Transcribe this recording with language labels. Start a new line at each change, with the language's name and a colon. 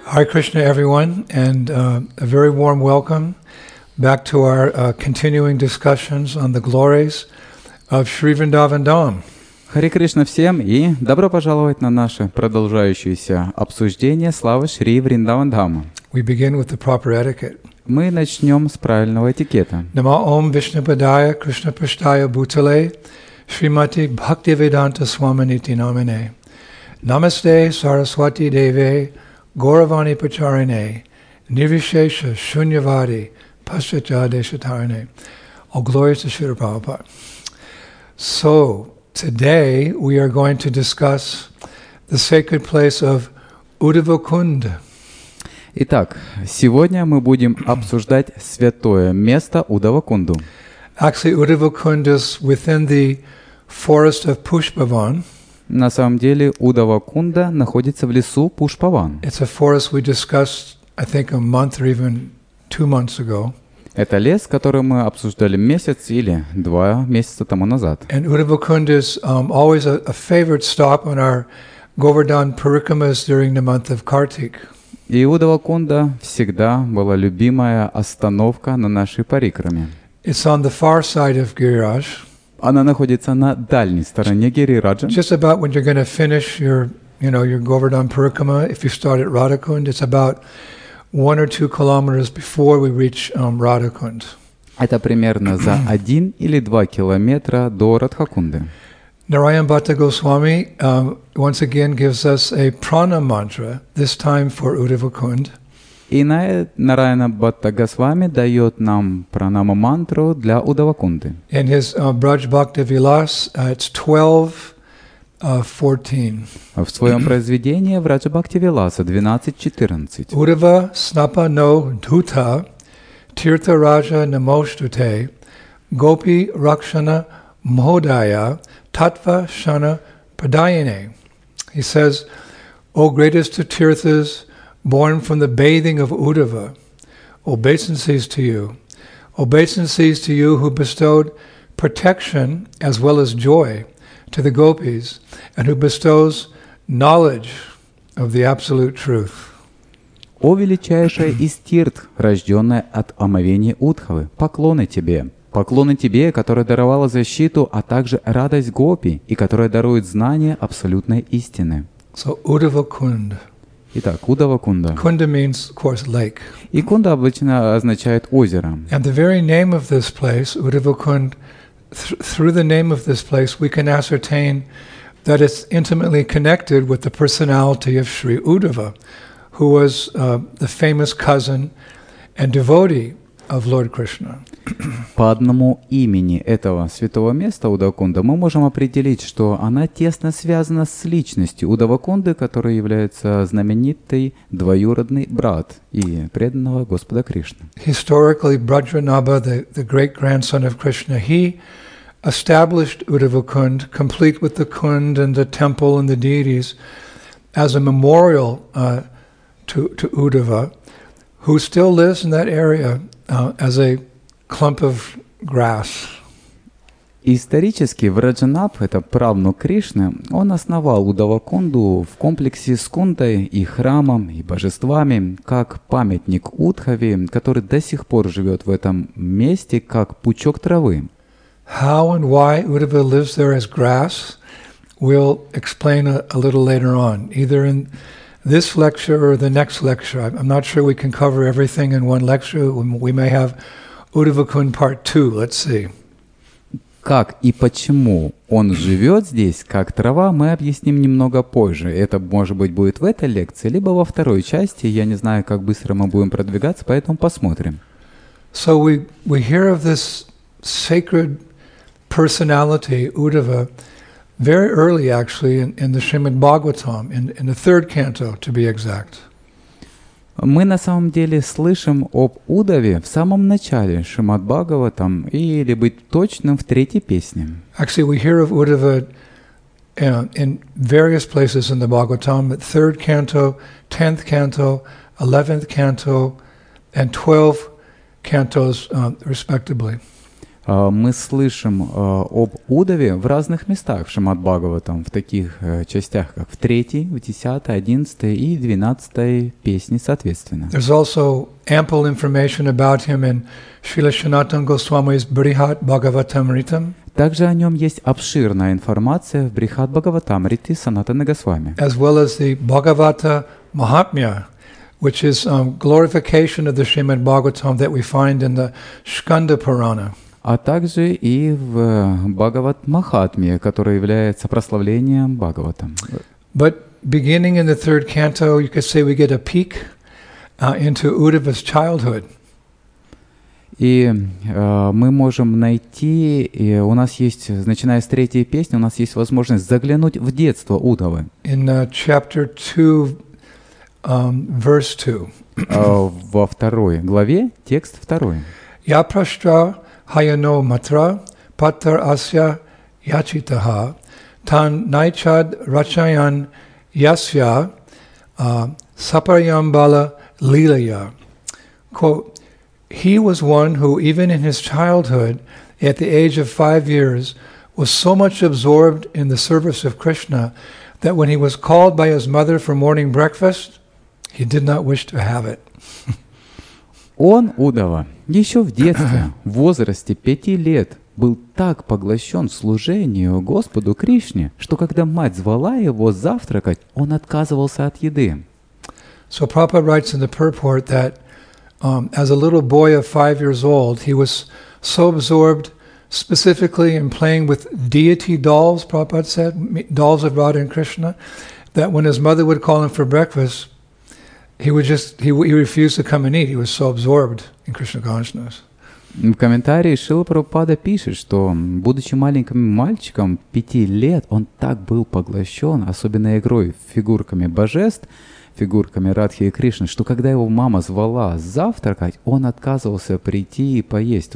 English: Hare Krishna, everyone, and a very warm welcome back to our continuing discussions on the glories of Sri Vrindavan Dham.
Russian: Hare Krishna всем и добро пожаловать на наше продолжающееся обсуждение славы Шри Вриндаван Дхама.
English: We begin with the proper etiquette.
Russian: Мы начнем с правильного этикета.
Sanskrit: Нама Ом Вишнупадая Кришна Праштая Бутале Шримати Бхактивиданта Свамините Номине. Намасте Сарасвати Деве Гуравани Пачарине Нирвишеша Шуньявади Пашачаде Шатарине.
Russian: О Глория Шри Прабхупада.
English: So, today we are going to discuss the sacred place of Uddhava Kunda.
Russian: Итак, сегодня мы будем обсуждать святое место Uddhava Kunda.
English: Actually, Uddhava Kunda is within the forest of Pushpavan.
Russian: На самом деле, Uddhava Kunda находится в лесу Пушпаван.
English: It's a forest we discussed, I think, a month or even 2 months ago.
Russian: Это лес, который мы обсуждали месяц или два месяца тому назад.
English: And Uddhava Kunda is always a favorite stop on our Govardhan Parikramas during the month of Kartik.
Russian: И Uddhava Kunda всегда была любимая остановка на нашей парикраме.
English: It's on the far side of Гирираджа.
Russian: Она находится на дальней стороне Гирираджа.
English: Just about when you're going to finish your, you know, your Govardhan Parikrama, if you start at Radha Kunda, it's about 1 or 2 kilometers before we reach Radha Kunda.
Russian: Это примерно за 1 или 2 километра до Радхакунды.
English: Narayan Bhatta Goswami once again gives us a prana mantra, this time for Uddhava Kunda.
Russian: И Нараяна Бхатта Госвами дает нам пранама мантру для Uddhava Kunda.
English: In his Braj Bhakti Vilas, it's 12:14.
Russian: В своем произведении Braj Bhakti Vilas 12:14.
Sanskrit: Uddhava Snapa No Dhuta Tirtha Raja Namoshtute Gopi Rakshana Mohodaya Tattva Shana Padayane.
English: He says, O greatest of Tirthas, born from the bathing of Uddhava, obeisances to you. Obeisances to you who bestowed protection as well as joy to the gopis and who bestows knowledge of the absolute truth.
Russian: О величайшая из тирт, рожденная от омовения Уддхавы, поклоны тебе. Поклоны тебе, которая даровала защиту, а также радость гопи, и которая дарует знание абсолютной истины.
English: So Uddhava Kunda.
Russian: Итак, Uddhava Kunda.
English: Kunda means, of course, lake.
Russian: И Кунда обычно означает озеро.
English: And the very name of this place, Uddhava Kunda, through the name of this place, we can ascertain that it's intimately connected with the personality of Sri Uddhava, who was the famous cousin and devotee of Lord Krishna.
Russian: По одному имени этого святого места Uddhava Kunda мы можем определить, что она тесно связана с личностью Uddhava Kunda, который является знаменитый двоюродный брат и преданного Господа Кришны.
English: Historically, Brajvanabha, the great grandson of Krishna, he established Uddhava Kunda, complete with the Kunda and the temple and the deities, as a memorial to Uddhava, who still lives in that area. As a clump of grass.
Russian: Исторически Враджанаб, это правнук Кришны, он основал Uddhava Kunda в комплексе с Кундой и храмом, и божествами, как памятник Уддхаве, который до сих пор живет в этом месте, как пучок травы.
English: How and why Uddhava lives there as grass, we'll explain a little later on, either in this lecture or the next lecture. I'm not sure we can cover everything in one lecture. We may have Uddhava Kunda part 2. Let's see.
Russian: Как и почему он живет здесь, как трава, мы объясним немного позже. Это, может быть, будет в этой лекции, либо во второй части. Я не знаю, как быстро мы будем продвигаться, поэтому посмотрим.
English: So we hear of this sacred personality, Uddhava, very early, actually, in the Srimad Bhagavatam, in the third canto, to be exact.
Russian: Мы на самом деле слышим об Уддхаве в самом начале Шримад Бхагаватам, или быть точным, в третьей песне.
English: Actually, we hear of Uddhava in various places in the Bhagavatam, the third canto, 10th canto, 11th canto, and 12 cantos, respectively.
Russian: мы слышим об Удаве в разных местах, в Шримад-Бхагаватам, в таких частях, как в 3-й, в 10-й, 11-й и 12-й песне, соответственно.
English: There's also ample information about him in Śrīla Śanātana Gosvāmī's Brihat Bhagavatamritam.
Russian: Также о нем есть обширная информация в Брихат Бхагаватамрите Санатана Госвами.
English: As well as the Bhagavata Mahatmya, which is glorification of the Śrīmad Bhagavatam that we find in the Skanda Purana.
Russian: А также и в Бхагават Махатмья, который является прославлением Бхагаватам.
English: But beginning in the third canto, you could say we get a peek into Uddhava's childhood.
Russian: И мы можем найти, и у нас есть, начиная с третьей песни, у нас есть возможность заглянуть в детство Удавы.
English: In chapter 2, verse 2.
Russian: Во второй главе, текст второй.
Sanskrit: Я прашча хаяно матра патар асья ячитаха тан найчад рачаян ясья сапарьямбала лилая.
English: Quote, he was one who, even in his childhood, at the age of 5 years, was so much absorbed in the service of Krishna that when he was called by his mother for morning breakfast, he did not wish to have it.
Russian: Он, Удава, еще в детстве, в возрасте 5 лет, был так поглощен служению Господу Кришне, что когда мать звала его завтракать, он отказывался от еды.
English: So Prabhupada writes in the purport that as a little boy of 5 years old, he was so absorbed specifically in playing with deity dolls, Prabhupada said, dolls of Radha and Krishna, that when his mother would call him for breakfast, he refused to come and eat. He was so absorbed in Krishna consciousness.
Russian: В комментарии Шрила Прабхупада пишет, что, будучи маленьким мальчиком 5 лет, он так был поглощен, особенно игрой фигурками божеств, фигурками Радхи и Кришны, что когда его мама звала завтракать, он отказывался прийти и поесть.